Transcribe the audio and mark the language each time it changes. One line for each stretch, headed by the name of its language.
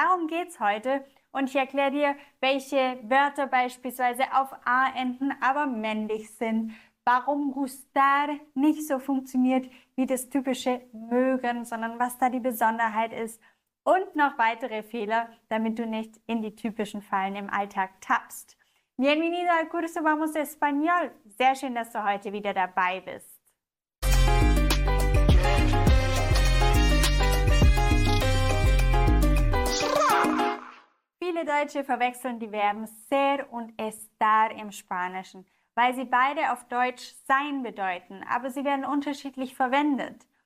German: Darum geht's heute und ich erkläre dir, welche Wörter beispielsweise auf A enden, aber männlich sind. Warum gustar nicht so funktioniert wie das typische mögen, sondern was da die Besonderheit ist. Und noch weitere Fehler, damit du nicht in die typischen Fallen im Alltag tappst.
Spanish: Bienvenido al curso Vamos Español.
German: Sehr schön, dass du heute wieder dabei bist. Viele Deutsche verwechseln die Verben ser und estar im Spanischen, weil sie beide auf Deutsch sein bedeuten, aber sie werden unterschiedlich verwendet.